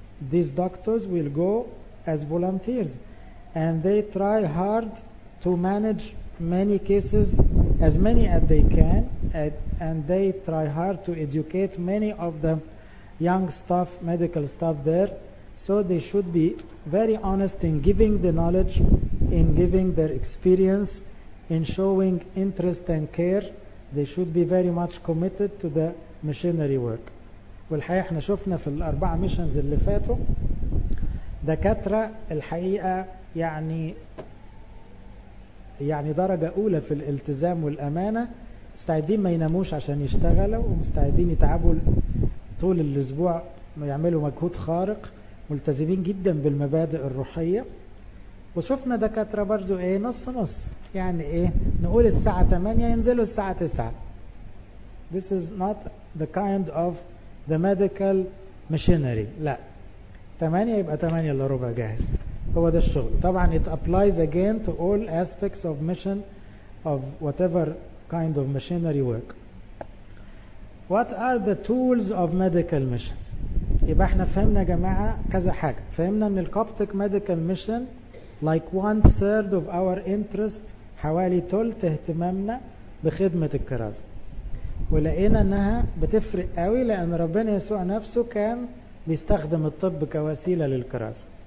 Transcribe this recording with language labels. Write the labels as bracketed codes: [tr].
[en] These doctors will go as volunteers and they try hard to manage many cases, as many as they can, and they try hard to educate many of the young staff, medical staff there. So they should be very honest in giving the knowledge, in giving their experience, in showing interest and care. They should be very much committed to the missionary work. [ar] والحقيقة احنا شفنا في الأربعة missions اللي فاتوا دكاترة الحقيقة يعني درجة أولى في الالتزام والأمانة, مستعدين ما يناموش عشان يشتغلوا ومستعدين يتعبوا طول الأسبوع ويعملوا مجهود خارق, ملتزمين جدا بالمبادئ الروحية. وشفنا دكاترة برضو ايه نص نص, يعني ايه نقول الساعة 8 ينزلوا الساعة 9. [en] This is not the kind of the medical machinery. [ar] لا 8 يبقى 8 الا ربع جاهز, هو ده الشغل. طبعا [en] it applies again to all aspects of mission of whatever kind of machinery work. What are the tools of medical missions? [ar] يبقى احنا فهمنا جماعة كذا حاجة. فهمنا ان الكوبتك [en] medical mission like one third of our interest, [ar] حوالي تلت اهتمامنا بخدمة الكرازة, ولقينا انها بتفرق قوي لان ربنا يسوع نفسه كان بيستخدم الطب كوسيلة للكرازة.